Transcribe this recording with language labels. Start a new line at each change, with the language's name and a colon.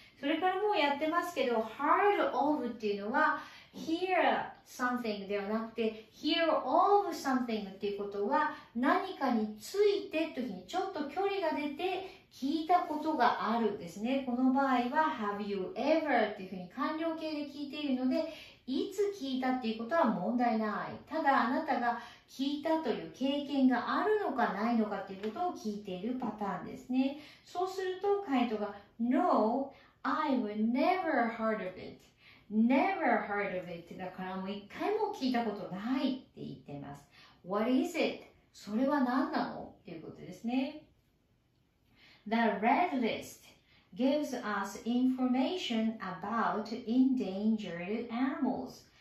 Japanese: それからもうやってますけど、 Heard of っていうのは Hear something ではなくて Hear of something っていうことは、何かについてというふうにちょっと距離が出て聞いたことがあるですね。この場合は Have you ever っていうふうに完了形で聞いているので、いつ聞いたっていうことは問題ない。ただあなたが聞いたという経験があるのかないのかっていうことを聞いているパターンですね。そうすると回答が
English: No, I've never heard of it. Never heard of it.
Japanese: だからもう一回も聞いたことないって言っています。
English: What is it?
Japanese: それは何なの?っていうことですね。
English: The red list. Gives us information about endangered animals.